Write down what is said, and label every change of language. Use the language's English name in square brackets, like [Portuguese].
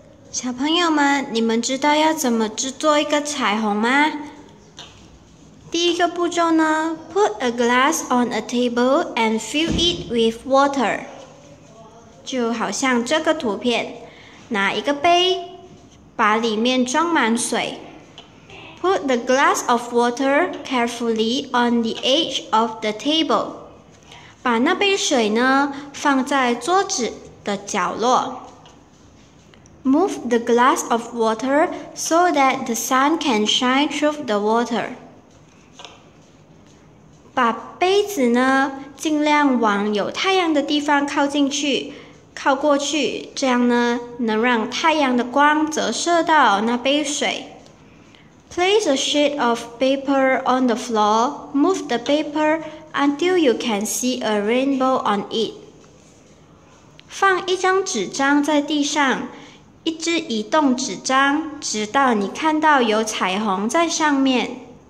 [Chinese] 小朋友们，你们知道要怎么制作一个彩虹吗？第一个步骤呢， [English] put a glass on a table and fill it with water. [Chinese] 就好像这个图片，拿一个杯，把里面装满水。 [English] Put the glass of water carefully on the edge of the table. [Chinese] 把那杯水呢，放在桌子的角落。 [English] Move the glass of water so that the sun can shine through the water. [Chinese] 把杯子呢尽量往有太阳的地方靠进去，靠过去，这样呢能让太阳的光折射到那杯水。 [English] Place a sheet of paper on the floor. Move the paper until you can see a rainbow on it. [Chinese] 放一张纸张在地上，一只移动纸张，直到你看到有彩虹在上面。